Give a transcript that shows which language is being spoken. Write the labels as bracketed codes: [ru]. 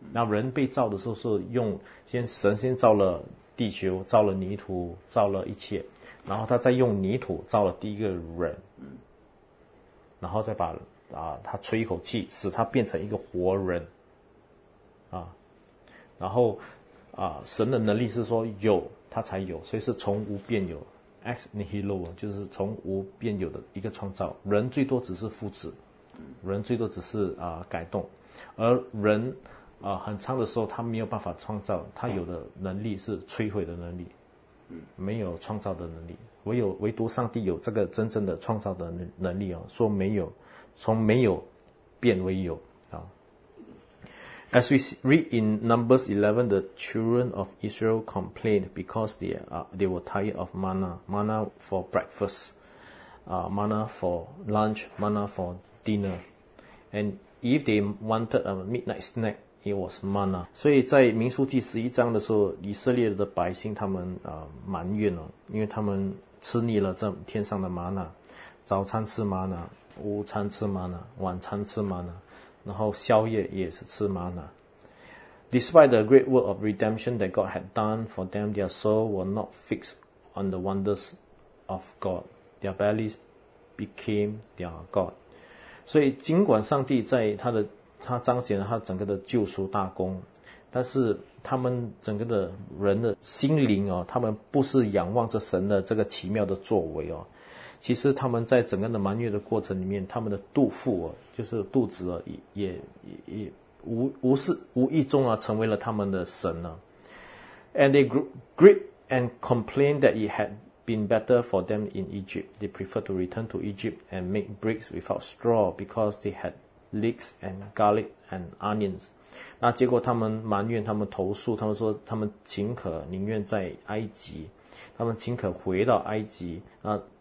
[zh] 那人被造的时候是用先神先造了地球，造了泥土，造了一切，然后他再用泥土造了第一个人，然后再把他吹一口气，使他变成一个活人然后神的能力是说有他才有，所以是从无变有 ex nihilo， 就是从无变有的一个创造。人最多只是复制，人最多只是改动。而人很长的时候他没有办法创造，他有的能力是摧毁的能力，没有创造的能力。唯独上帝有这个真正的创造的能力，说没有，从没有变为有 [en] As we read in Numbers 11, the children of Israel complained because they were tired of manna for breakfast, manna for lunch, manna for dinner, andIf they wanted a midnight snack, it was manna. [zh] 所以在民数记十一章的时候，以色列的百姓他们埋怨了，因为他们吃腻了这天上的玛纳，早餐吃玛纳，午餐吃玛纳，晚餐吃玛纳，然后宵夜也是吃玛纳。 [en] Despite the great work of redemption that God had done for them, their soul were not fixed on the wonders of God. Their bellies became their God. [zh] 所以尽管上帝在他彰显了他整个的救赎大功，但是他们整个的人的心灵他们不是仰望着神的这个奇妙的作为其实他们在整个的埋怨的过程里面，他们的肚腹啊，就是肚子啊，也无意中啊，成为了他们的神啊。 [en] And they gripe and complain that it had been better for them in Egypt. They prefer to return to Egypt and make bricks without straw because they had leeks and garlic and onions. [zh] 那结果他们埋怨，他们投诉，他们说他们情可宁愿在埃及，他们情可回到埃及啊。